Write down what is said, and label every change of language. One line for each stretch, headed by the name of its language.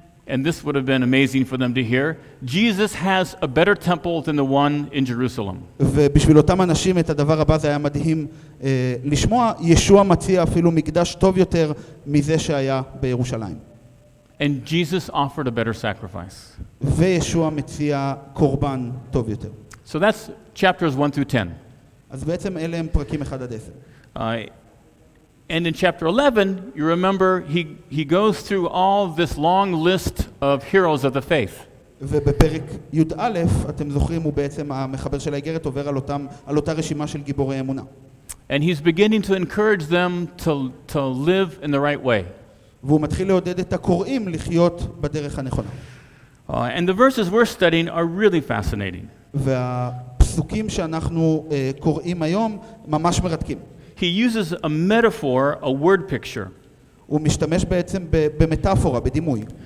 English: And this would have been amazing for them to hear. Jesus has a better temple than the one in Jerusalem.
Hebrew: ובשביל אותם אנשים את הדבר הבא זה היה מדהים לשמוע ישוע מציע אפילו מקדש טוב יותר מזה שהיה בירושלים.
English: And Jesus offered a better sacrifice.
Hebrew: וישוע מציע קורבן טוב יותר.
English: So that's chapters 1 through 10.
Hebrew: אז בעצם אלה הם פרקים 1 עד 10.
English: And in chapter 11, you remember he goes through all this long list of heroes of the faith.
Hebrew: ובפרק י"א, אתם זוכרים, הוא בעצם המחבר של האיגרת עובר על אותם על אותה רשימה של גיבורי אמונה.
English: And he's beginning to encourage them to live in the right way.
Hebrew: והוא מתחיל לעודד את הקוראים לחיות בדרך הנכונה.
English: And the verses we're studying are really fascinating.
Hebrew: והפסוקים שאנחנו קוראים היום ממש מרתקים.
English: He uses a metaphor, a word picture.
Hebrew: הוא משתמש בעצם במטאפורה, בדימוי.